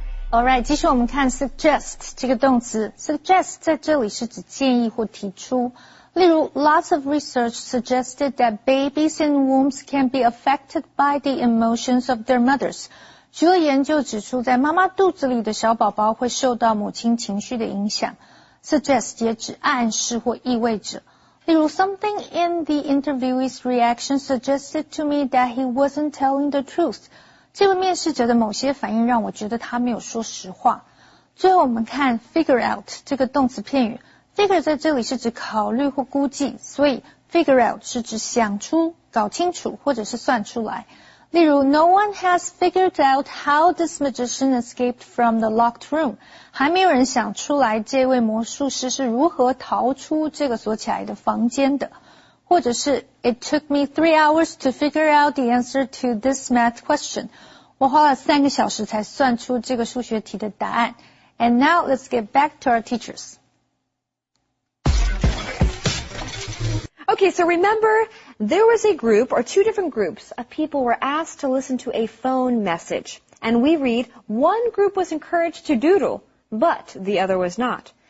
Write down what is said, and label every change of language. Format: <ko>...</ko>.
<zh>Alright, 继续我们看 suggest 这个动词。Suggest 在这里是指建议或提出。例如</zh> <en>,lots of research suggested that babies in wombs can be affected by the emotions of their mothers.</en> <zh>许多研究指出在妈妈肚子里的小宝宝会受到母亲情绪的影响。 Suggest 也指暗示或意味着。例如</zh> <en>,something in the interviewee's reaction suggested to me that he wasn't telling the truth.</en> <zh>这位面试者的某些反应让我觉得他没有说实话。最后我们看 figure out 这个动词片语。figure 在这里是指考虑或估计，所以 figure out 是指想出、搞清楚或者是算出来。例如</zh> <en>,no one has figured out how this magician escaped from the locked room.</en> <zh>还没有人想出来这位魔术师是如何逃出这个锁起来的房间的。或者是</zh> <en>It took me 3 hours to figure out the answer to this math question.</en> <zh>我花了三个小时才算出这个数学题的答案。</zh> <en>And now let's get back to our teachers. Okay, so remember, there was a group or two different groups of people were asked to listen to a phone message. And we read, one group was encouraged to doodle, but the other was not.</en>